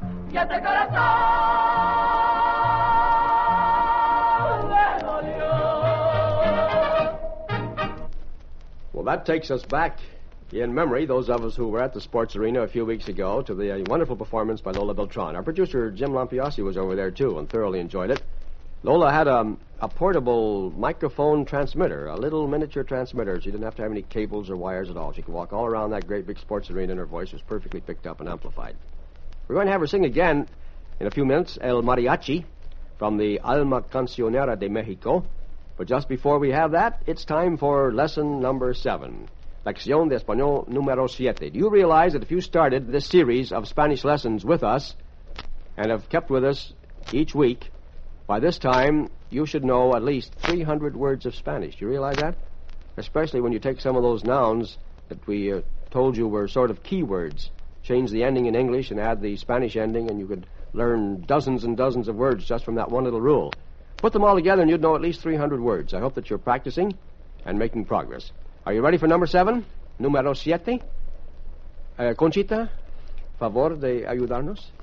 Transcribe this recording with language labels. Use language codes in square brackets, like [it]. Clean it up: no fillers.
[es] Y hasta el corazón me dolió. [en] Well, that takes us back in memory, those of us who were at the sports arena a few weeks ago, to the wonderful performance by Lola Beltran. Our producer, Jim Lampiasi, was over there, too, and thoroughly enjoyed it. Lola had a portable microphone transmitter, a little miniature transmitter. She didn't have to have any cables or wires at all. She could walk all around that great big sports arena, and her voice was perfectly picked up and amplified. We're going to have her sing again in a few minutes, El Mariachi, from the Alma Cancionera de México. But just before we have that, it's time for lesson number 7. [es] Lección de Español número 7. [en] Do you realize that if you started this series of Spanish lessons with us and have kept with us each week, by this time you should know at least 300 words of Spanish. Do you realize that? Especially when you take some of those nouns that we told you were sort of keywords, change the ending in English and add the Spanish ending, and you could learn dozens and dozens of words just from that one little rule. Put them all together and you'd know at least 300 words. I hope that you're practicing and making progress. Are you ready for number 7? [es] Número 7. Conchita, favor de ayudarnos.